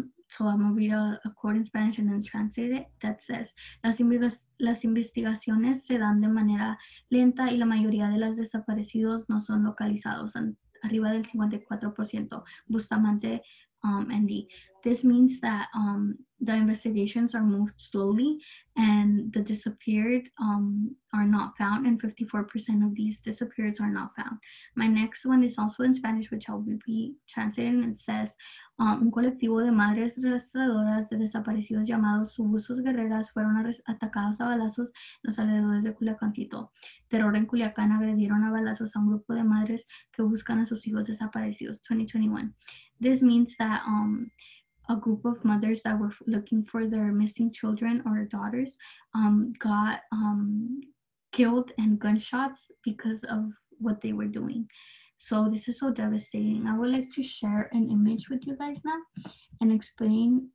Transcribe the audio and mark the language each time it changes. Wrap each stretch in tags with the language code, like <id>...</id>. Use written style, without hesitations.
<en>So I'm gonna read a quote in Spanish and then translate it, that says,</en> <es>las investigaciones se dan de manera lenta y la mayoría de las desaparecidos no son localizados. Arriba del 54%. Bustamante Andy.</es> <en>This means that the investigations are moved slowly and the disappeared are not found, and 54% of these disappearances are not found. My next one is also in Spanish, which I'll be translating. It says,</en> <es>un colectivo de madres rastreadoras de desaparecidos llamados Subusos Guerreras fueron atacados a balazos en los alrededores de Culiacán. Terror en Culiacán agredieron a balazos a un grupo de madres que buscan a sus hijos desaparecidos. 2021.</es> <en>This means that a group of mothers that were looking for their missing children or daughters got killed and gunshots because of what they were doing. So this is so devastating. I would like to share an image with you guys now and explain.</en>